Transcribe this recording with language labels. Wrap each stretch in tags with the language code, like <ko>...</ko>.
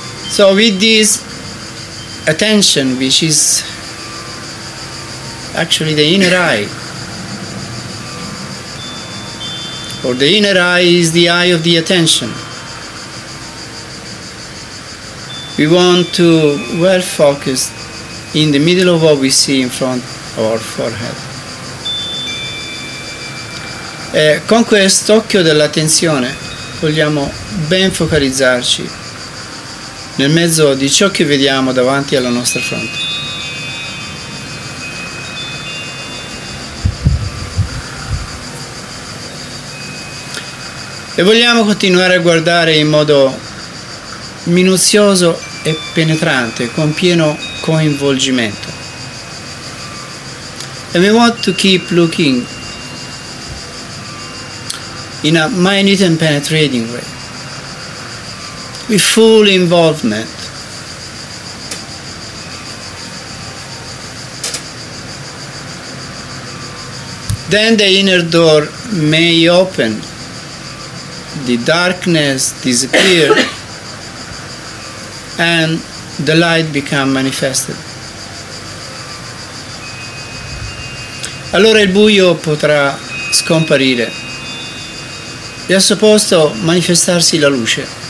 <en>So with this attention, which is actually the inner eye, or the inner eye is the eye of the attention, we want to well focus in the middle of what we see in front of our forehead.</en> <it>E con quest'occhio dell'attenzione vogliamo ben focalizzarci nel mezzo di ciò che vediamo davanti alla nostra fronte. E vogliamo continuare a guardare in modo minuzioso e penetrante, con pieno coinvolgimento.</it> <en>And we want to keep looking in a minute and penetrating way, with full involvement. Then the inner door may open, the darkness disappear and the light become manifested.</en> <it>Allora il buio potrà scomparire e al suo posto manifestarsi la luce.</it>